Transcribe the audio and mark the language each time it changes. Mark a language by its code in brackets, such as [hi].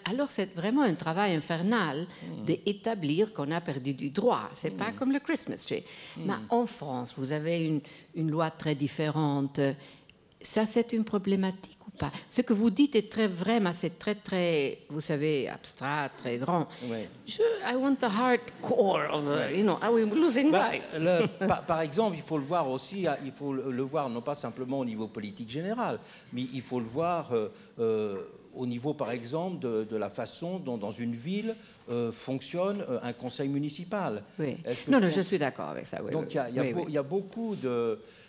[fr] Alors, c'est vraiment un travail infernal d'établir qu'on a perdu du droit. Ce n'est pas comme le Christmas tree. Mais en France, vous avez une loi très différente. Ça, c'est une problématique ou pas? Ce que vous dites est très vrai, mais c'est très, très, vous savez, abstrat, très grand. [en] I want the hard core of the, are we losing rights? [fr] Par exemple, il faut le voir aussi, il faut le voir non pas simplement au niveau politique général, mais il faut le voir au niveau, par exemple, de la façon dont dans une ville fonctionne un conseil municipal. Oui. Je suis d'accord avec ça. Il y a beaucoup de...